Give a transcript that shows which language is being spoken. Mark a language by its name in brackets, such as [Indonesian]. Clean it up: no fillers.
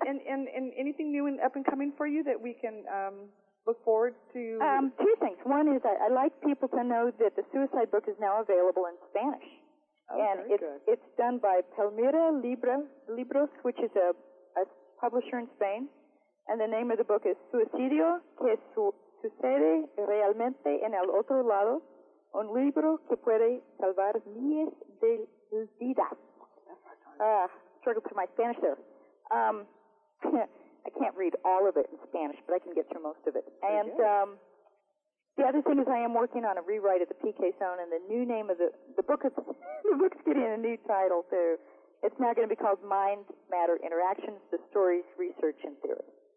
[English] And anything new and up and coming for you that we can look forward to? Two things. One is I'd like people to know that the suicide book is now available in Spanish. Oh, and it's done by Palmira Libros, which is a publisher in Spain. And the name of the book is [Spanish] Suicidio, que sucede realmente en el otro lado, un libro que puede salvar miles de vidas. [English] Struggle to my Spanish there. I can't read all of it in Spanish, but I can get through most of it. Okay. And the other thing is I am working on a rewrite of the PK Zone, and the new name of the book is the book's getting a new title, so it's now going to be called Mind-Matter Interactions, the Stories, Research, and Theory.